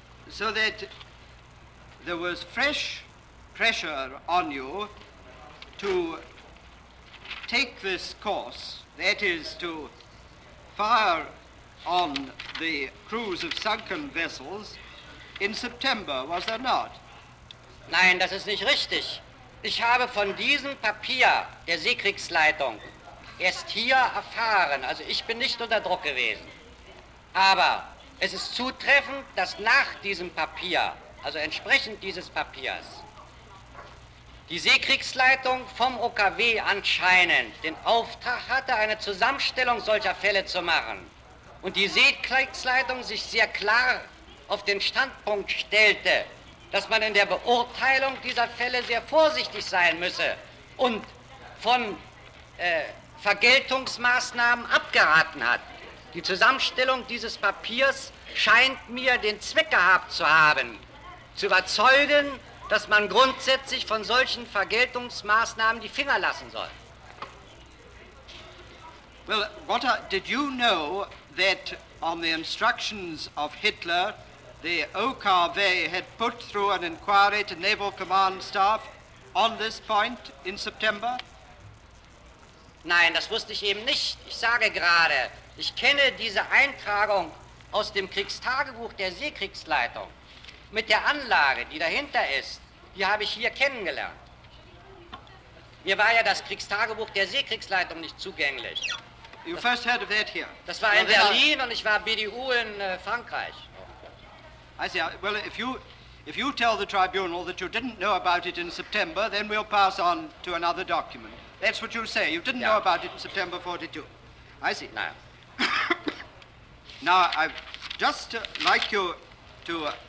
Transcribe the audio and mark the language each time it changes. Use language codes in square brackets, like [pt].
[en] So that there was fresh pressure on you to take this course, that is to fire on the crews of sunken vessels in September, was there not? [de] Nein, das ist nicht richtig. Ich habe von diesem Papier der Seekriegsleitung erst hier erfahren. Also ich bin nicht unter Druck gewesen. Aber es ist zutreffend, dass nach diesem Papier, also entsprechend dieses Papiers, die Seekriegsleitung vom OKW anscheinend den Auftrag hatte, eine Zusammenstellung solcher Fälle zu machen. Und die Seekriegsleitung sich sehr klar auf den Standpunkt stellte, dass man in der Beurteilung dieser Fälle sehr vorsichtig sein müsse und von Vergeltungsmaßnahmen abgeraten hat. Die Zusammenstellung dieses Papiers scheint mir den Zweck gehabt zu haben, zu überzeugen, dass man grundsätzlich von solchen Vergeltungsmaßnahmen die Finger lassen soll. [en] Well, what did you know that on the instructions of Hitler, the OKW had put through an inquiry to Naval Command Staff on this point in September? [de] Nein, das wusste ich eben nicht. Ich sage gerade, ich kenne diese Eintragung aus dem Kriegstagebuch der Seekriegsleitung mit der Anlage, die dahinter ist, die habe ich hier kennengelernt. Mir war ja das Kriegstagebuch der Seekriegsleitung nicht zugänglich. [en] You first heard of that here? [de] Das war in Berlin und ich war BDU in Frankreich. [en] I see. Well, if you tell the tribunal that you didn't know about it in September, then we'll pass on to another document. That's what you say. You didn't know about it in September 42. I see. No. Now, I'd just like you to...